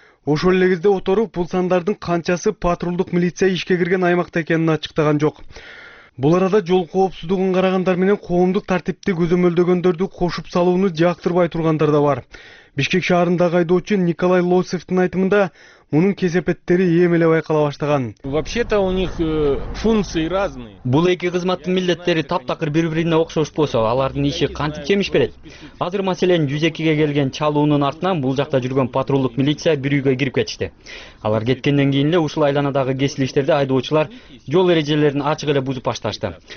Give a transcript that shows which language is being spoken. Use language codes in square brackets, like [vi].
[ky] Ошол эле кезде Оторов бул сандардын канчасы патрулдук милиция ишке кирген аймакта экенин ачыктаган жок. Бул арада жол коопсуздугун карагандар менен коомдук тартипти көзөмөлдөгөндөрдү кошуп салууну жактырбай тургандар да бар. Бишкек шаарындагы айдоочу Николай Лосевдин айтымында мунун кесепеттери эми эле байкала баштаган. [ru] Вообще-то у них функции разные. [ky] Бул эки кызматтын милдеттери таптакыр бири бирине окшош болсо, алардын иши кантип жемиш берет? Азыр маселен 102ге келген чалуунун артынан бул жакта жүргөн патрулдук милиция бир үйгө кирип кетишти. Алар кеткенден кийин эле ушул айланадагы кесил иштерде айдоочулар жол эрежелерин ачык эле бузуп башташты.